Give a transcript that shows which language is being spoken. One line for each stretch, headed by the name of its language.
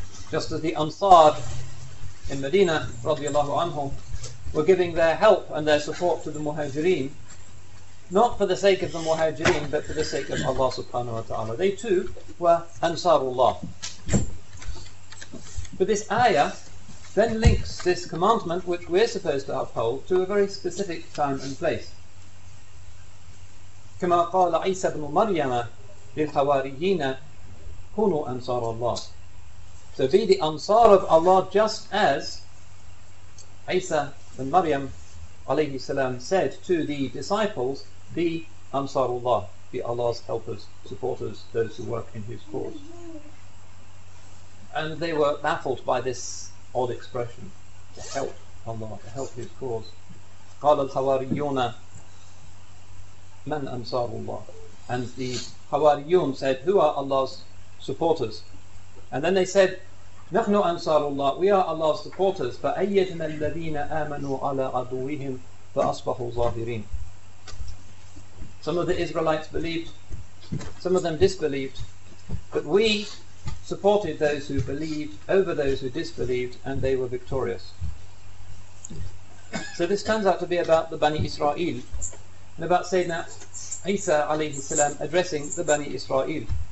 English: Just as the Ansar in Medina, radiallahu anhum, were giving their help and their support to the Muhajireen, not for the sake of the Muhajireen, but for the sake of Allah subhanahu wa ta'ala. They too were Ansarullah. But this ayah then links this commandment, which we're supposed to uphold, to a very specific time and place.
Arabic: كما قال عيسى بن مريم للحواريين كونوا أنصار الله.
English: So be the Ansar of Allah, just as عيسى بن مريم عليه السلام said to the disciples, be Ansar Allah, be Allah's helpers, supporters, those who work in his cause. And they were baffled by this odd expression, to help Allah, to help his cause.
Arabic: قال الحواريون من أنصار الله.
English: And the حواريون said, who are Allah's supporters? And then they said,
Arabic: نحن أنصار الله,
English: we are Allah's supporters.
Arabic: فأيدنا الذين آمنوا على عدوهم فأصبحوا ظاهرين.
English: Some of the Israelites believed, some of them disbelieved, but we supported those who believed over those who disbelieved, and they were victorious. So this turns out to be about the Bani Israel, and about Sayyidina Isa alayhi salam addressing the Bani Israel.